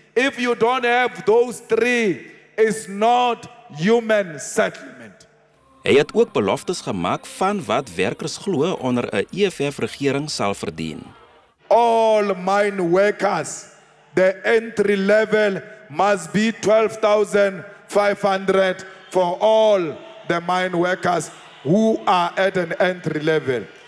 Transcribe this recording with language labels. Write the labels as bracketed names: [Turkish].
[English] If you don't have those three, it's not human settlement. [Afrikaans] Hy het ook beloftes gemaak van wat werkers glo onder 'n EFF regering sal verdien. [English] All mine workers, the entry level must be 12,500 for all the mine workers who are at an entry level.